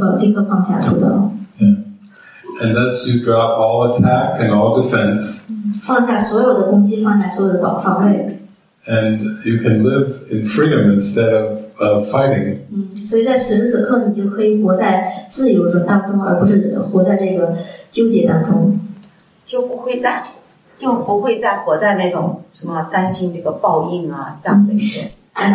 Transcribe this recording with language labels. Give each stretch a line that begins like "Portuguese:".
Chinese: 对，是的，是就这样，就是在此时此刻立刻放下屠刀。
English: And thus you drop all attack and all defense.
Chinese: 放下所有的攻击，放下所有的防卫。
English: And you can live in freedom instead of fighting.
Chinese: 所以在此时此刻，你就可以活在自由中，当中，而不是活在这个纠结当中。就不会再活在那种什么担心这个报应啊，这样的一种。
English: And